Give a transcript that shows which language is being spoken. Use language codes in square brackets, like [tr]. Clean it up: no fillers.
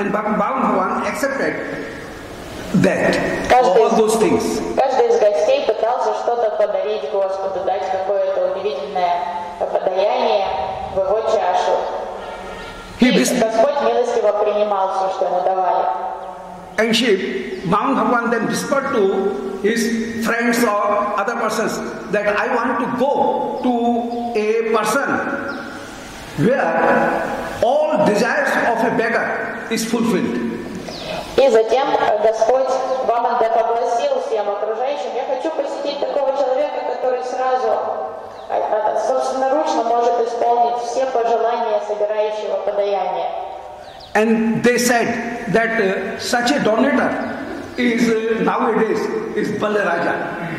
[en] And Vamana Bhagavan accepted that, каждый all those things. [ru] Каждый из гостей пытался что-то подарить Господу, дать какое-то удивительное подаяние в его чашу. Господь милостиво принимал все, что ему давали. [en] And she, Vamana Bhagavan then whispered to his friends or other persons that I want to go to a person where all desires of a beggar is fulfilled. [ru] И затем Господь Вамана пригласил всем окружающим, я хочу посетить такого человека, который сразу собственноручно может исполнить все пожелания собирающего подаяния. [en] And they said that such a donator is nowadays is Balaraja.